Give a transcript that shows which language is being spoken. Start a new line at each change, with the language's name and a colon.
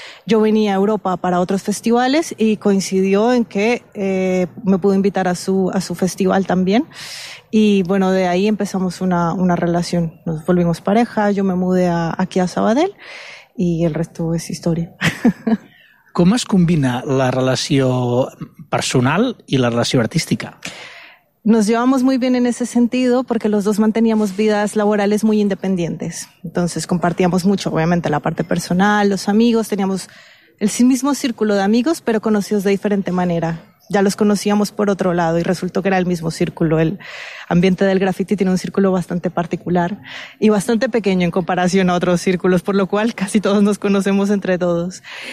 Spanish: Yo venía a Europa para otros festivales y coincidió en que me pudo invitar a su festival también. Y bueno, de ahí empezamos una relación, nos volvimos pareja, yo me mudé aquí a Sabadell y el resto es historia.
Catalan: Com es combina la relació personal i la relació artística?
Spanish: Nos llevamos muy bien en ese sentido porque los dos manteníamos vidas laborales muy independientes. Entonces compartíamos mucho, obviamente, la parte personal, los amigos. Teníamos el mismo círculo de amigos, pero conocidos de diferente manera. Ya los conocíamos por otro lado y resultó que era el mismo círculo. El ambiente del graffiti tiene un círculo bastante particular y bastante pequeño en comparación a otros círculos, por lo cual casi todos nos conocemos entre todos.